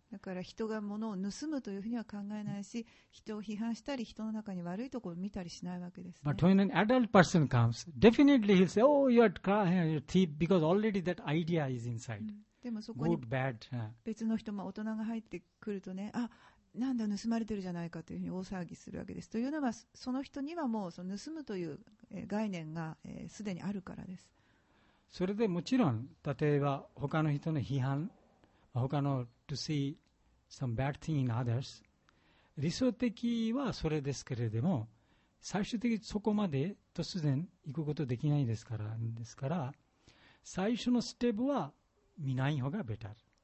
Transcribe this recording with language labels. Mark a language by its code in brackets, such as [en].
[ja] だから人が物を盗むというふうには考えないし、人を批判したり、人の中に悪いところを見たりしないわけです、ね。 [en] But when an adult person comes, definitely he'll say, "Oh, you are crying, you're a thief," because already that idea is inside. [ja] でもそこに別の人も大人が入ってくるとね、あ、なんだ盗まれてるじゃないかというふうに大騒ぎするわけです。というのはその人にはもうその盗むという概念がすでにあるからです。それでもちろん例えば他の人の批判、他の [en] to see some bad thing in others、 [ja] 理想的はそれですけれども、最終的にそこまで突然行くことできないですから、最初のステップは見ない方がベタル。